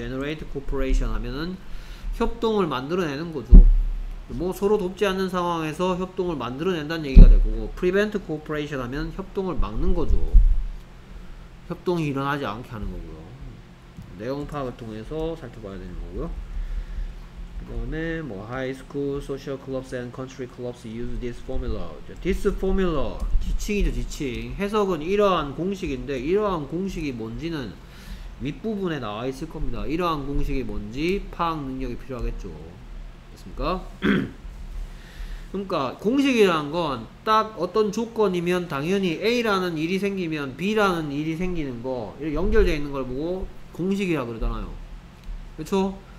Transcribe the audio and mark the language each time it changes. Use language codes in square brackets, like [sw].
[en] generate corporation [ko] 하면은 협동을 만들어내는 거죠. 뭐 서로 돕지 않는 상황에서 협동을 만들어낸다는 얘기가 되고 [en] prevent corporation [ko] 하면 협동을 막는 거죠. 협동이 일어나지 않게 하는 거고요. 내용 파악을 통해서 살펴봐야 되는 거고요. 그다음에 뭐 [en] high school social clubs and country clubs use this formula. This formula [ko] 지칭이죠 지칭. 해석은 이러한 공식인데 이러한 공식이 뭔지는 윗부분에 나와 있을 겁니다. 이러한 공식이 뭔지 파악 능력이 필요하겠죠. 됐습니까? 그러니까 공식이라는 건 딱 어떤 조건이면 당연히 A라는 일이 생기면 B라는 일이 생기는 거 연결되어 있는 걸 보고 공식이라 그러잖아요. 그렇죠?